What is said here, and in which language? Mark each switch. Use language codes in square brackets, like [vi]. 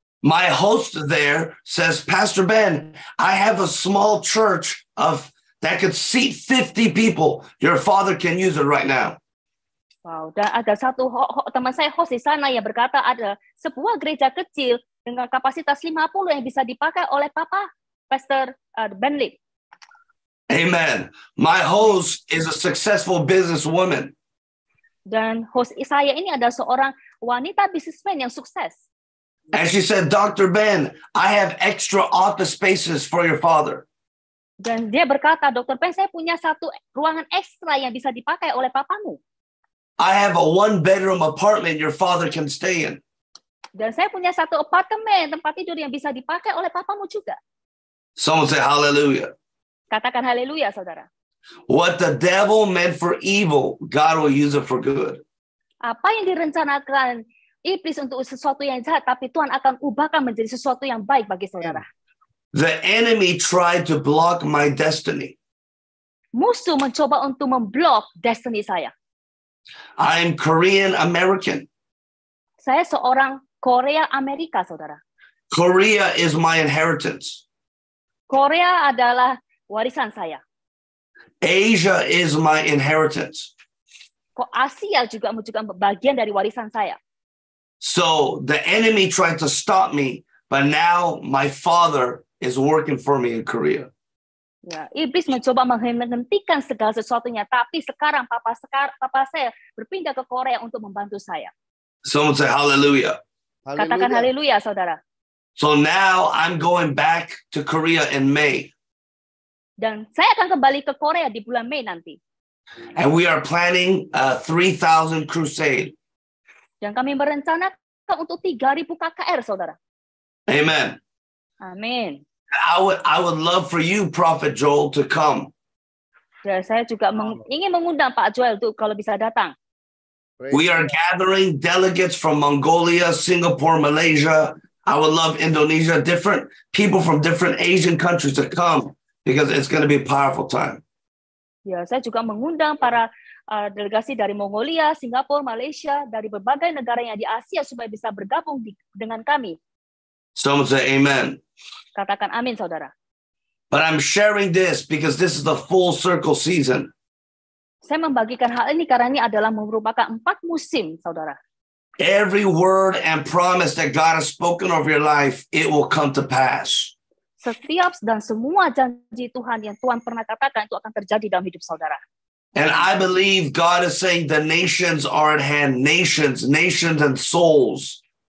[en] My host there says, Pastor Ben, I have a small church of that could seat 50 people. Your father can use it right now. [id] Wow, dan ada satu teman saya host di sana yang berkata ada sebuah gereja kecil dengan kapasitas 50 yang bisa dipakai oleh Papa Pastor Ben Lee. [en] Amen. My host is a successful businesswoman. [id] Dan host saya ini ada seorang wanita businessman yang sukses. [en] And she said, Dr. Ben, I have extra office spaces for your father. [id] Dan dia berkata, Dr. Ben, saya punya satu ruangan ekstra yang bisa dipakai oleh papamu. [en] I have a one-bedroom apartment your father can stay in. [id] Dan saya punya satu apartemen, tempat tidur yang bisa dipakai oleh papamu juga. [en] Someone say hallelujah. [id] Katakan haleluya, saudara. [en] What the devil meant for evil, God will use it for good. [id] Apa yang direncanakan iblis untuk sesuatu yang jahat, tapi Tuhan akan ubahkan menjadi sesuatu yang baik bagi saudara. [en] The enemy tried to block my destiny. [id] Musuh mencoba untuk memblok destiny saya. [en] I am Korean American. [id] Saya seorang Korea Amerika, saudara. [en] Korea is my inheritance. [id] Korea adalah warisan saya. [en] Asia is my inheritance. [id] Kok Asia juga merupakan bagian dari warisan saya. [en] So the enemy tried to stop me, but now my father is working for me in Korea. [id] Ya, iblis mencoba menghentikan segala sesuatunya, tapi sekarang papa saya berpindah ke Korea untuk membantu saya. [en] Someone say hallelujah. [id] Katakan haleluya, saudara. [en] So now I'm going back to Korea in May. [id] Dan saya akan kembali ke Korea di bulan Mei nanti. [en] And we are planning a 3,000 crusade. [id] Dan kami merencanakan untuk 3,000 KKR, saudara. [en] Amen. [id] Amin. [en] I would love for you, Prophet Joel, to come. [id] Ya, saya juga ingin mengundang Pak Joel untuk kalau bisa datang. [en] We are gathering delegates from Mongolia, Singapore, Malaysia. I would love Indonesia, different people from different Asian countries to come because it's going to be a powerful time. [id] Ya, saya juga mengundang para delegasi dari Mongolia, Singapura, Malaysia, dari berbagai negara yang di Asia supaya bisa bergabung dengan kami. [en] Someone say amen. [id] Katakan amin, saudara. [en] But I'm sharing this because this is the full circle season. [id] Saya membagikan hal ini karena ini adalah merupakan empat musim, saudara. [en] Every word and promise that God has spoken over your life, it will come to pass. [id] Setiap dan semua janji Tuhan yang Tuhan pernah katakan itu akan terjadi dalam hidup saudara. [en] And I believe God is saying the nations are at hand, nations and souls.